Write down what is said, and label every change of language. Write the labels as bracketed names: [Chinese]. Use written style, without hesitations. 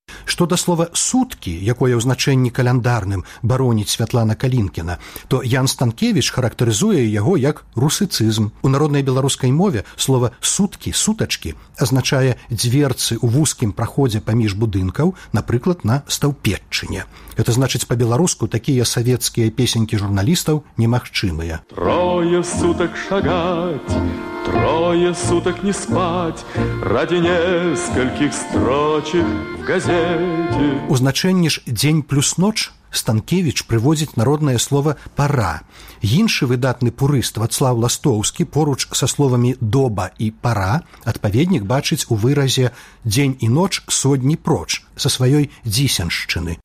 [Belarusian] Што да слова «суткі», якое ў значэнні каляндарным бароніць Святлана Калінкіна, то Ян Станкевіч характарызуе яго як русыцызм. У народнай беларускай мове слова «суткі», «сутачкі» азначае дзверцы ў вузкім праходзе паміж будынкаў, напрыклад, на Стаўпетчыне. Гэта значыць, па-беларуску такія савецкія песенькі журналістаў немагчымыя. [Russian] «Трое суток шагаць». Трое суток не спать ради нескольких строчек в газете. [Belarusian] У значэнні ж «дзень плюс ноч» Станкевіч прыводзіць народнае слова «пара». Іншы выдатны пурыст Вацлаў Ластоўскі поруч са словамі «доба» і «пара» адпаведнік бачыць у выразе «дзень і ноч содні проч» са сваёй дзісяншчыны.